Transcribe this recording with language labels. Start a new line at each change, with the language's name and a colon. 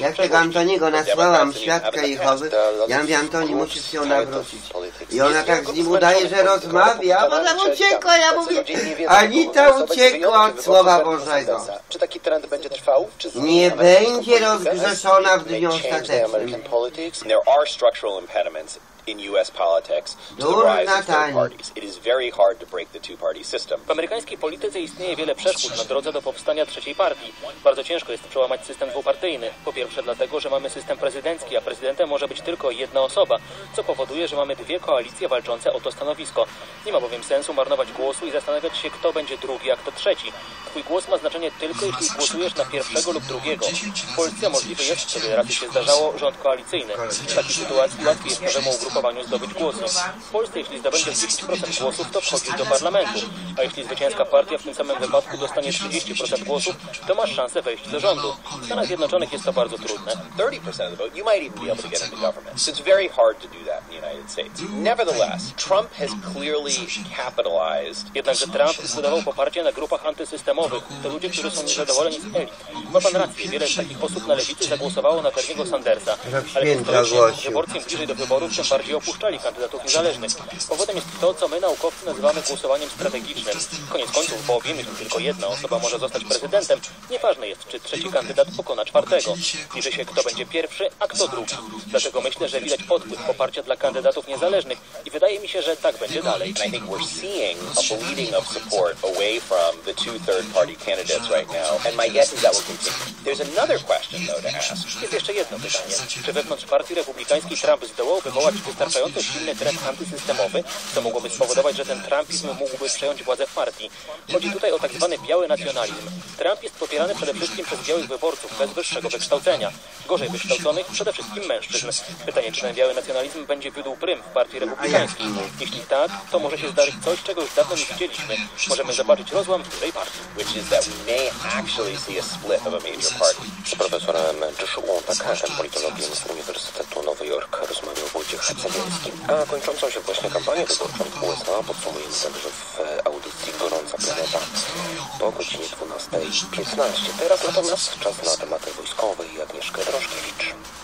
Polish: Ja tego Antoniego nazwałam Świadka Jehowy. Ja mówię, Antoni, musisz się nawrócić. I ona tak z nim udaje, że rozmawia, a ona uciekła. Ja mówię, Anita uciekła od Słowa Bożego. Czy taki trend będzie trwał? Nie będzie rozgrzeszona w dniu ostatecznym.
English: There are structural impediments in U.S. politics to the rise of third parties. It is very hard to break the two-party system.
Polish: W amerykańskiej polityce istnieje wiele przeszkód na drodze do powstania trzeciej partii. Bardzo ciężko jest przełamać system dwupartyjny. Po pierwsze dlatego, że mamy system prezydencki, a prezydentem może być tylko jedna osoba, co powoduje, że mamy dwie koalicje walczące o to stanowisko. Nie ma bowiem sensu marnować głosu i zastanawiać się, kto będzie drugi, a kto trzeci. Twój głos ma znaczenie tylko, jeśli głosujesz na pierwszego lub drugiego. W Polsce możliwe jest, żeby raczej się zdarzało rząd koalicyjny. W takiej sytuacji łatwiej jest nowemu ugrupowaniu zdobyć głosów. W Polsce, jeśli zdobędzie 30% głosów, to wchodzi do parlamentu. A jeśli zwycięska partia w tym samym wypadku dostanie 30% głosów, to masz szansę wejść do rządu. W Stanach Zjednoczonych jest to bardzo trudne.
English: 30% of the vote, you might even be able to get into government. So it's very hard to do that in the United States. Nevertheless, Trump has clearly capitalized.
Polish: Jednakże Trump zbudował poparcie na grupach antysystemowych. To ludzie, którzy są niezadowoleni z elit. Ma pan rację, wiele z takich osób na lewicy zagłosowało na Berniego Sandersa. Ale historycznie wyborcy bliżej do wyborów tym bardziej opuszczali kandydatów niezależnych. Powodem jest to, co my naukowcy nazywamy głosowaniem strategicznym. Koniec końców, bo wiemy, że tylko jedna osoba może zostać prezydentem. Nieważne jest, czy trzeci kandydat pokona czwartego. Liczy się, kto będzie pierwszy, a kto drugi. Dlatego myślę, że widać podpływ poparcia dla kandydatów niezależnych i wydaje mi się, że tak będzie dalej.
English: I think we're seeing a bleeding of support away from the two third party candidates right now. And my guess is that will continue. There's another question though to ask.
Polish: Jest jeszcze jedno pytanie. Czy wewnątrz partii republikańskiej Trump zdołał wywołać wystarczająco silny trend antysystemowy, co mogłoby spowodować, że ten trumpizm mógłby przejąć władzę w partii? Chodzi tutaj o tak zwany biały nacjonalizm. Trump jest popierany przede wszystkim przez białych wyborców bez wyższego wykształcenia. Gorzej wykształconych przede wszystkim mężczyzn. Pytanie, czy ten biały nacjonalizm będzie wydłuł prym w partii republikańskiej? Jeśli tak, to może się zdarzyć coś, czego już dawno nie widzieliśmy. Możemy zobaczyć rozłam w dużej partii.
English: Which is that we may actually see a split of a major party.
Polish: Z profesorem Joshua Packerem, politologiem z Uniwersytetu Nowy Jork, rozmawiał Wojciech Szczepański. A kończącą się właśnie kampanię wyborczą w USA podsumujemy także w audycji Gorąca Planeta po godzinie 12:15. Teraz natomiast czas na tematy wojskowe i Agnieszkę Drożdżewicz.